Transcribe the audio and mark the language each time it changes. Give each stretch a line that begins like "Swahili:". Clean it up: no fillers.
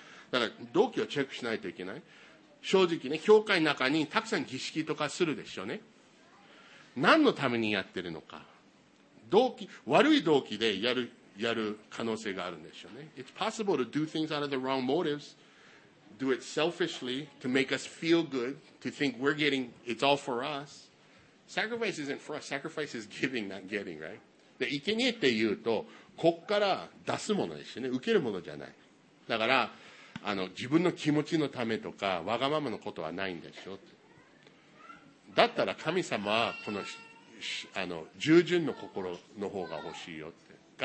Japanese: だから、動機をチェックしないといけない。正直ね、教会の中にたくさん儀式とかするでしょうね。何のためにやってるのか。動機、悪い動機でやる可能性があるんでしょうね。
English: It's possible to do things out of the wrong motives. Do it selfishly to make us feel good, to think we're getting, it's all for us. Sacrifice isn't for us. Sacrifice is giving, not getting, right?
Japanese: で、生贄っていうと、こっから出すものですよね。受けるものじゃない。だから、あの自分の気持ちのためとかわがままのことはないんでしょって。だったら神様はこの、あの従順の心の方が欲しいよって。